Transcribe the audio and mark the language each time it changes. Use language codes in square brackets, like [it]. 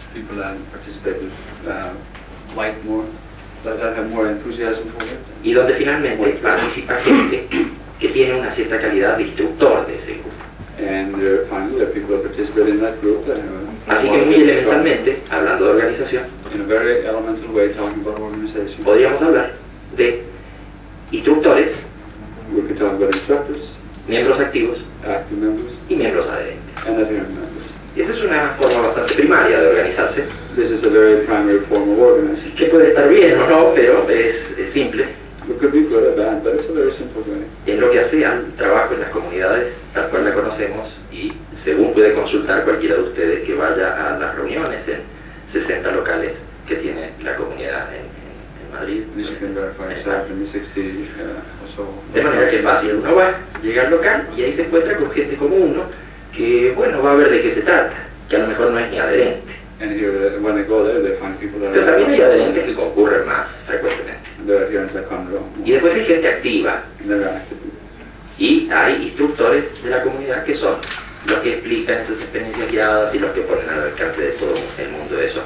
[en] People that participate like more, that have more enthusiasm for it. [es] Y donde finalmente participa gente que tiene una cierta calidad instructor de ese grupo. [en] And finally, there are people that participate in that group. [es] Así que muy elementalmente, hablando de organización, [en] in a very elemental way talking about organization. [es] Podríamos hablar de instructores. [en] We could talk about instructors. [es] Miembros activos. [en] Active members. [es] Y miembros adherentes. [en] And adherent members. [es] Y esa es una forma bastante primaria de organizarse. [en] This is a very primary form of organizing. [es] Que puede estar bien o no, pero es simple. [en] It could be good or bad, but it's a very simple way. [es] En lo que hacían trabajo en las comunidades tal cual la conocemos y según puede consultar cualquiera de ustedes que vaya a las reuniones en 60 locales que tiene la comunidad en Madrid. [en] This can verify exactly in 60 or so. [es] De manera que es fácil, uno va, llega al local y ahí se encuentra con gente como uno que, bueno, va a ver de qué se trata, que a lo mejor no es ni adherente. [en] And here, when they go there, they find people that are... [es] Pero también hay adherentes que concurren más frecuentemente. Y después hay gente activa. Y hay instructores de la comunidad que son los que explican esas experiencias guiadas y los que ponen al alcance de todo el mundo esos